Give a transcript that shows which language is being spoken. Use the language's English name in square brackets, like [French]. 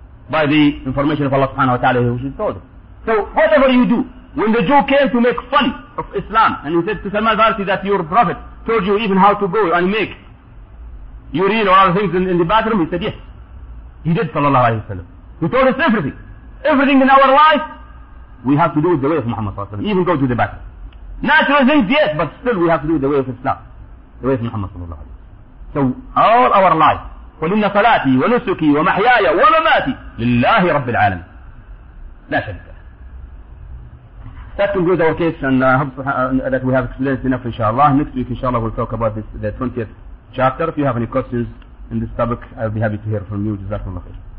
[English] By the information of Allah subhanahu wa ta'ala, which is told. So, whatever you do, when the Jew came to make fun of Islam, and he said to Salman Farsi that your prophet told you even how to go and make urine or other things in the bathroom, he said yes. He did, sallallahu alayhi wa sallam. He told us everything. Everything in our life, we have to do it the way of Muhammad sallallahu alayhi wa sallam. Even go to the bathroom. Natural things, yes, but still we have to do it the way of Islam. The way of Muhammad sallallahu alayhi wa sallam. So, all our life, [Arabic] قلنا صلاتي ونسكي ومحياي ومماتي لله رب العالمين لا شك. [English] That concludes our case, and I hope that we have explained enough, inshallah. Next week, inshallah, we'll talk about the 20th chapter. If you have any questions in this topic, I'll be happy to hear from you. Jazakallah khair.